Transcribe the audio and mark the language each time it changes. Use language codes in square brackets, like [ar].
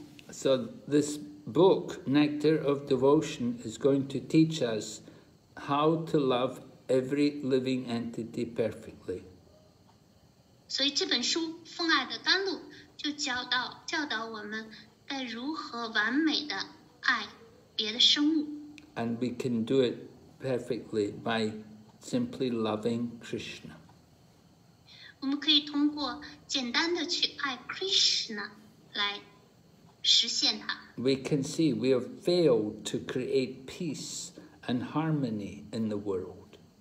[en] So this book, Nectar of Devotion, is going to teach us how to love every living entity perfectly. [zh] 所以这本书《奉爱的甘露》就教导我们该如何完美的爱别的生物。 [en] And we can do it perfectly by simply loving Krishna. [zh] 我们可以通过简单的去爱Krishna来实现它。 [en] We can see we have failed to create peace and harmony in the world.